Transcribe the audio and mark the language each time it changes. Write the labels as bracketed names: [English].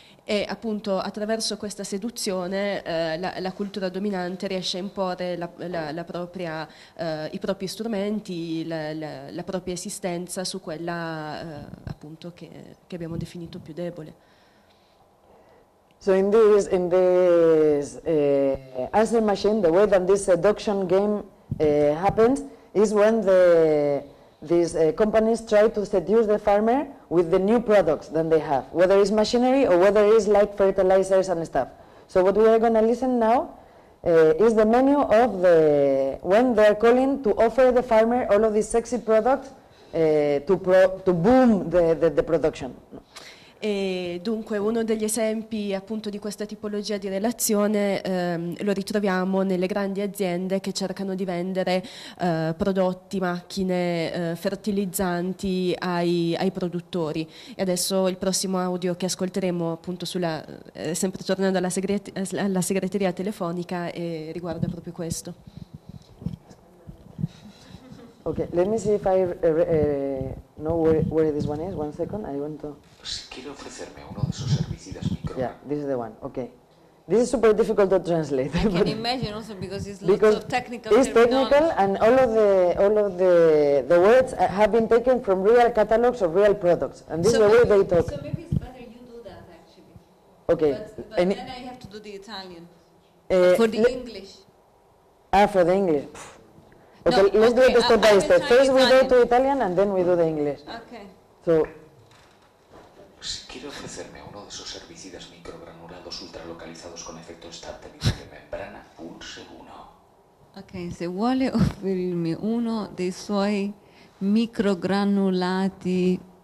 [Italian] E appunto attraverso questa seduzione la cultura dominante riesce a imporre i propri strumenti, la propria esistenza su quella appunto che abbiamo definito più debole. [English] So in this answer machine, the way that this seduction game happens is when these companies try to seduce the farmer with the new products that they have, whether it's machinery or whether it's like fertilizers and stuff. So what we are going to listen now is the menu of the when they're calling to offer the farmer all of these sexy products to boom the production. [Italian] E dunque uno degli esempi appunto di questa tipologia di relazione lo ritroviamo nelle grandi aziende che cercano di vendere prodotti, macchine, fertilizzanti ai produttori. E adesso il prossimo audio che ascolteremo appunto sempre tornando alla segreteria telefonica riguarda proprio questo. [English] Okay, let me see if I know where this one is. One second, I want to. [Spanish] Pues quiero ofrecerme uno de sus herbicidas micro. [English] Yeah, this is the one. Okay. This is super difficult to translate. I can imagine also because lots of technical. It's technical, and all of the words have been taken from real catalogs of real products, and this is the way they talk. So maybe it's better you do that actually. Okay. But then I have to do the Italian for the English. For the English. Okay, no, let's do it step by step. First we go to Italian and then we do the English. Okay. So. [Spanish] Si quiero ofrecerme uno de esos herbicidas microgranulados ultralocalizados con efecto estante de membrana, pulse uno. [Italian] Okay, se vuole offrirmi uno dei suoi microgranulati.